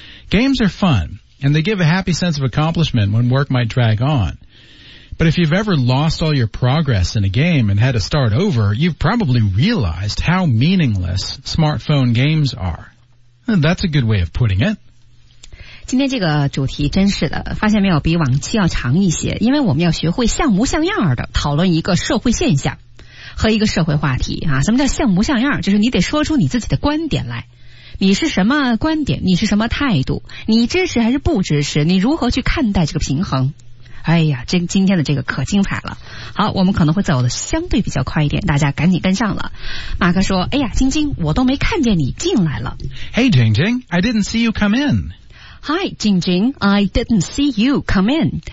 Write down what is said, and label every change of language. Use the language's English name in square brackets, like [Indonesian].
[English] Games are fun, and they give a happy sense of accomplishment when work might drag on. But if you've ever lost all your progress in a game and had to start over, you've probably realized how meaningless smartphone games are. That's a good way of putting it. [Chinese] 今天这个主题真是的，发现没有，比往期要长一些，因为我们要学会像模像样的讨论一个社会现象和一个社会话题啊。什么叫像模像样？就是你得说出你自己的观点来。你是什么观点？你是什么态度？你支持还是不支持？你如何去看待这个平衡？哎呀，这今天的这个可精彩了。好，我们可能会走的相对比较快一点，大家赶紧跟上了。马克说，哎呀，晶晶，我都没看见你进来了。 [English] Hey, Jing Jing, I didn't see you come in. Hi, Jing Jing, I didn't see you come in.